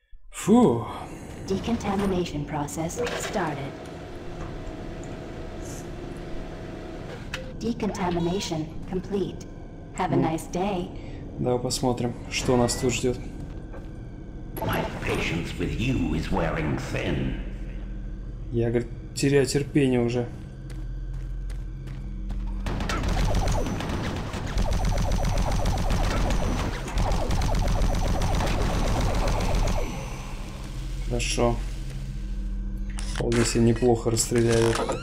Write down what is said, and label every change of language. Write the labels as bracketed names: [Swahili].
[English] Фу. Decontamination process started. Decontamination complete. Have a nice day. [Russian] Давай посмотрим, что нас тут ждет. [English] My patience with you is wearing thin. [Russian] Я, говорит, теряю терпение уже. Ага. Хорошо. Вполне себе неплохо расстреляли.